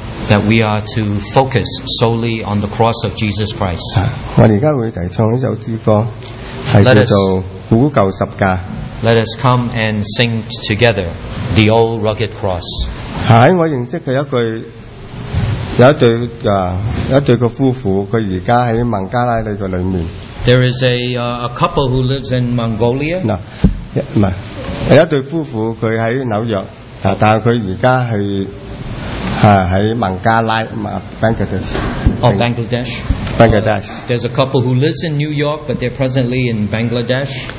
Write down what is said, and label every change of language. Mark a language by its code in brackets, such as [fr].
[en] That we are to focus solely on the cross of Jesus Christ. [yue] 我哋而家会提唱一首诗歌，系叫做《古旧十架》。 [en] Let us come and sing together the old rugged cross. [yue] 喺我认识嘅有一对嘅夫妇，佢而家喺孟加拉呢个里面。 [en] There is a couple who lives in Mongolia. [yue] 嗱，唔系，有一对夫妇佢喺纽约，但系佢而家系喺孟加拉 Bangladesh. [en] Oh, Bangladesh. Bangladesh. There's a couple who lives in New York, but they're presently in Bangladesh.